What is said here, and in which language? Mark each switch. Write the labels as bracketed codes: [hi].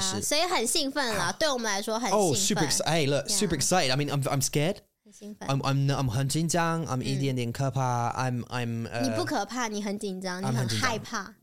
[zh] 所以很兴奋啦，对我们来说很兴奋。 [en] Oh, super excited. Hey, look, super excited. I mean, I'm scared. I'm [zh] 很紧张 I'm 一点点可怕 I'm 你不可怕你很紧张你很害怕